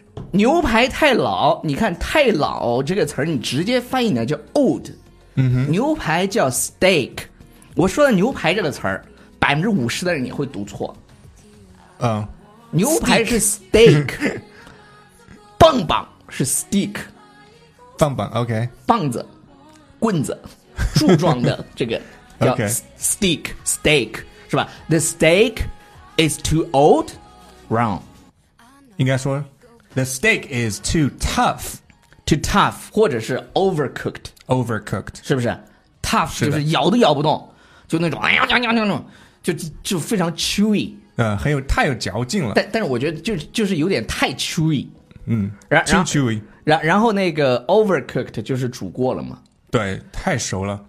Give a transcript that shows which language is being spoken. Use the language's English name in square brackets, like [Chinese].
[Chinese] 牛排太老，你看太老这个词你直接翻译呢叫 old。牛排叫 steak， 我说的牛排这个词儿，50%的人你会读错。牛排是 steak， 棒棒是 stick，棒棒 OK，棒子、棍子、柱状的这个叫 steak， steak 是吧 ？ [English] The steak is too old， wrong。 [Chinese] 应该说 [English] ，the steak is too tough， too tough， [Chinese] 或者是 [English] overcooked。 Overcooked [Chinese] 是不是 ？Tough 是就是咬都咬不动，就那种哎呀呀呀那种，就非常 chewy，很有太有嚼劲了。但是我觉得就是有点太 chewy， [English] too chewy。 [Chinese] 然后那个 overcooked 就是煮过了嘛？对，太熟了。